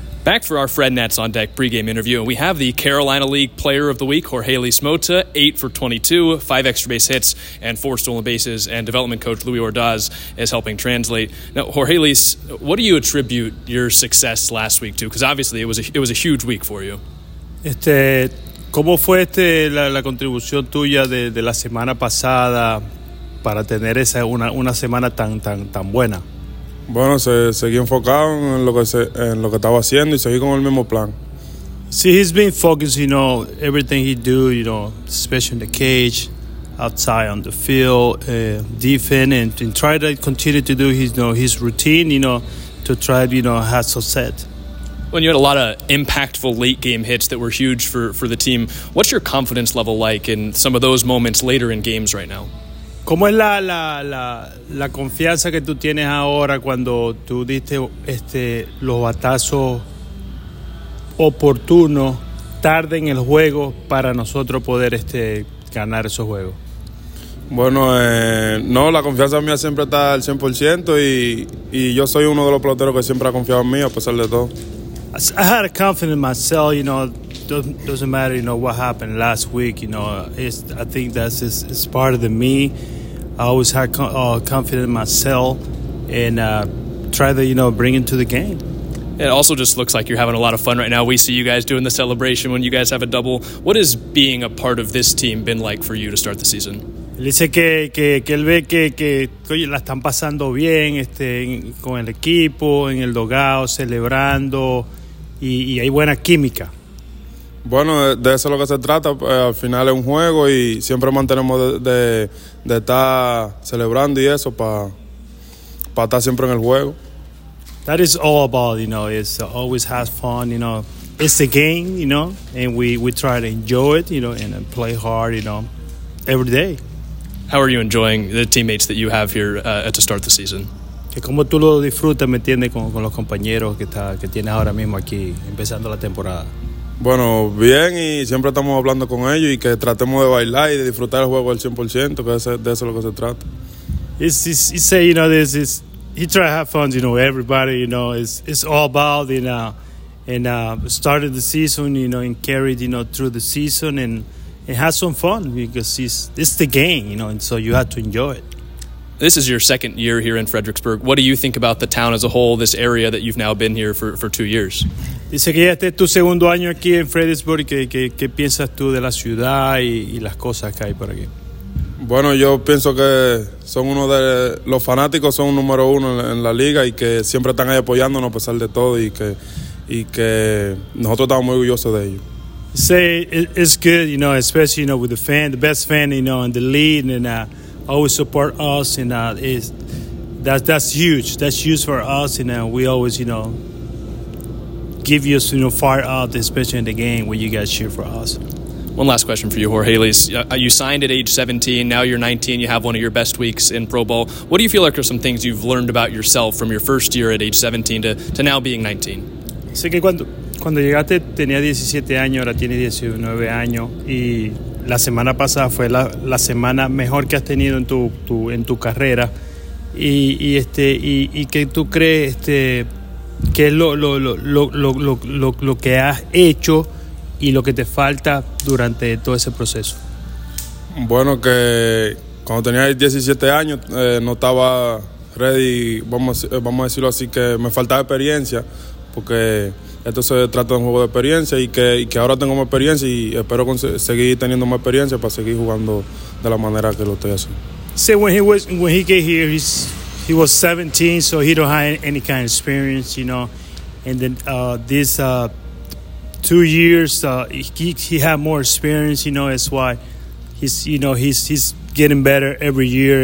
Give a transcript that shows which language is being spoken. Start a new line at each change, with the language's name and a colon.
English: Back for our Fred Nats on Deck pregame interview, and we have the Carolina League Player of the Week, Jorge Lismota, 8 for 22, 5 extra base hits, and 4 stolen bases, and development coach Louis Ordaz is helping translate. Now, Jorge Lis, what do you attribute your success last week to? Because obviously it was a huge week for you.
Spanish: ¿Cómo fue la contribución tuya de la semana pasada para tener esa una semana tan buena? Bueno, seguí enfocado en lo que estaba haciendo y seguí con el mismo plan.
English: See, he's been focused, you know, everything he do, you know, especially in the cage, outside on the field, defense, and try to continue to do his routine, you know, to try to, you know, have success. When you had a lot of impactful late game hits that were huge for the team, what's your confidence level like in some of those moments later in games right now?
Spanish: ¿Cómo es la confianza que tú tienes ahora cuando tú diste los batazos oportunos tarde en el juego para nosotros poder ganar esos juegos? Bueno, no, la confianza mía siempre está al 100% y yo soy uno de los peloteros que siempre ha confiado en mí a pesar de todo.
English: I had a confidence in myself, you know. Doesn't matter, you know, what happened last week, you know. I think that's part of the me. I always had confidence in myself and try to, you know, bring into the game. It also just looks like you're having a lot of fun right now. We see you guys doing the celebration when you guys have a double. What has being a part of this team been like for you to start the season?
Spanish: Él dice que él ve que la están pasando bien con el equipo, en el dugout, celebrando, y hay buena química. Bueno, de eso es lo que se trata. Al final es un juego y siempre mantenemos de estar celebrando y eso para estar siempre en el juego.
English: That is all about, you know, it's always have fun, you know. It's the game, you know, and we try to enjoy it, you know, and play hard, you know, every day. How are you enjoying the teammates that you have here to start the season?
Spanish: Que como tú lo disfrutas, ¿me entiendes? Con los compañeros que tienes ahora mismo aquí, empezando la temporada. Bueno, bien, y siempre estamos hablando con ellos y que tratemos de bailar y de disfrutar el juego al 100%, que de eso es lo que se trata.
English: He say, you know, this is, he try to have fun, you know, everybody, you know, it's all about, you know, and started the season, you know, and carried, you know, through the season and have some fun because it's the game, you know, and so you have to enjoy it. This is your second year here in Fredericksburg. What do you think about the town as a whole, this area that you've now been here for 2 years?
Spanish: Dice que ya este es tu segundo año aquí en Fredericksburg. ¿Qué piensas tú de la ciudad y las cosas que hay por aquí? Bueno, yo pienso que son uno de los fanáticos, son un número uno en la liga y que siempre están ahí apoyándonos a pesar de todo y que nosotros estamos muy orgullosos de ellos.
English: Say it's good, you know, especially, you know, with the fan, the best fan, you know, in the league, and always support us, and that's huge for us, and we always, you know, give you, you know, fire up, especially in the game when you guys cheer for us. One last question for you, Jorge Lis. You signed at age 17, now you're 19, you have one of your best weeks in Pro Bowl. What do you feel like are some things you've learned about yourself from your first year at age 17 to now being 19?
Spanish: Sé que cuando llegaste tenía 17 años, ahora tiene 19 años, y la semana pasada fue la semana mejor que has tenido en tu carrera, y que tú crees qué es lo que has hecho y lo que te falta durante todo ese proceso. Bueno, que cuando tenía 17 años no estaba ready, vamos a decirlo así, que me faltaba experiencia, porque esto se trata de un juego de experiencia y que ahora tengo más experiencia y espero seguir teniendo más experiencia para seguir jugando de la manera que lo estoy haciendo.
English: So when he came here, he was 17, so he don't have any kind of experience, you know. And then these 2 years, he had more experience, you know. That's why he's getting better every year.